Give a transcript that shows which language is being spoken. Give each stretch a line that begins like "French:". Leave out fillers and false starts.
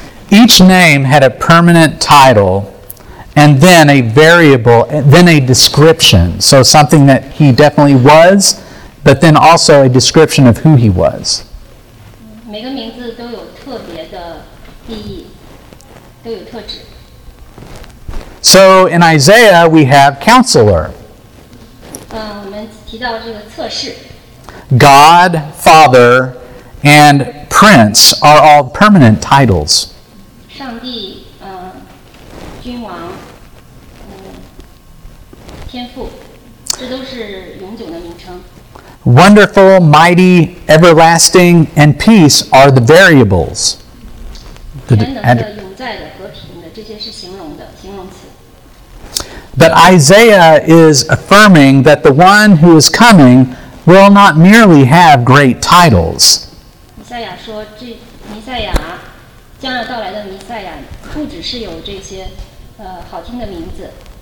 English: Each name had a permanent title, and then a variable, and then a description. So something that he definitely was, but then also a description of who he was.
Chinese: 每个名字都有特别的意义，都有特质。
English: So in Isaiah, we have counselor.
Chinese: 我们提到这个测试。
English: God, Father, and Prince are all permanent titles.
Chinese: 上帝，君王，天父，这都是永久的名称。
English: Wonderful, Mighty, Everlasting, and Peace are the variables.
Chinese: 全能的、永在的、和平的，这些是形容的形容词。
English: But Isaiah is affirming that the one who is coming will not merely have great titles.
Chinese: 弥赛亚说，这弥赛亚将要到来的弥赛亚不只是有这些好听的名字。